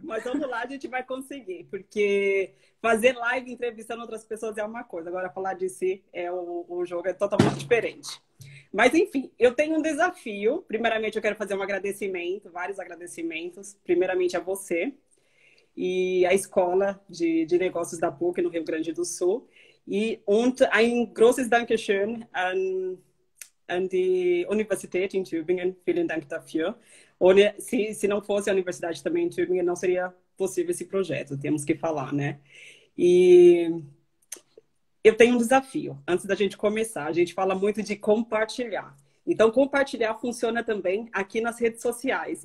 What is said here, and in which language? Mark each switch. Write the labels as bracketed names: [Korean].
[Portuguese] Mas vamos lá, a gente vai conseguir. Porque fazer live entrevistando outras pessoas é uma coisa. Agora falar de si é o jogo é totalmente diferente. Mas enfim, eu tenho um desafio. Primeiramente, eu quero fazer um agradecimento, vários agradecimentos. Primeiramente a você e à Escola de Negócios da PUC, no Rio Grande do Sul. [German] E ein großes Dankeschön an die Universität in Tübingen, vielen Dank dafür. Ohne, [Portuguese] se não fosse a universidade também em Tübingen, não seria possível esse projeto, temos que falar, né? E eu tenho um desafio, antes da gente começar, a gente fala muito de compartilhar. Então, compartilhar funciona também aqui nas redes sociais.